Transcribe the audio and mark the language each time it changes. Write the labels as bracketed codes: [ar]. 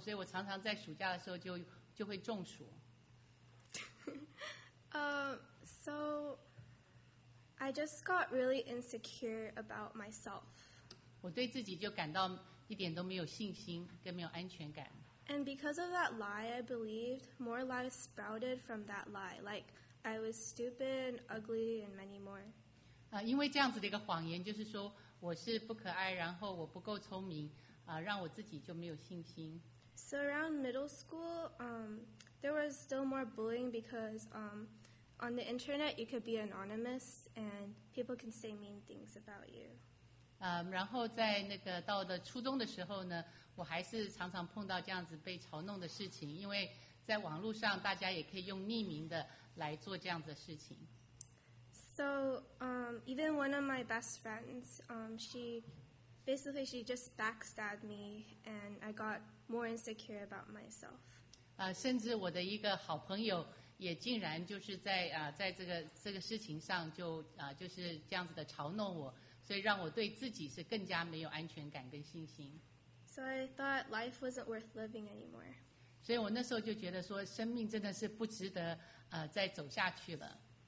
[zh] 所以我常常在暑假的时候就会中暑。 [en] So I just got really insecure about myself. [zh] 我对自己就感到一点都没有信心，跟没有安全感。 [en] And because of that lie I believed, more lies sprouted from that lie. Like I was stupid and ugly and many more. [zh] 因为这样子的一个谎言，就是说我是不可爱，然后我不够聪明，让我自己就没有信心。 [en] So around middle school, there was still more bullying because on the internet you could be anonymous and people can say mean things about you. [zh] 然后在那个到了初中的时候呢，我还是常常碰到这样子被嘲弄的事情，因为在网络上大家也可以用匿名的来做这样子的事情。 [en] So, even one of my best friends, she just backstabbed me, and I got more insecure about myself. [zh] 甚至我的一个好朋友也竟然就是在这个事情上就是这样子的嘲弄我，所以让我对自己是更加没有安全感跟信心。 [en] So I thought life wasn't worth living anymore. [zh] 所以我那时候就觉得说，生命真的是不值得再走下去了。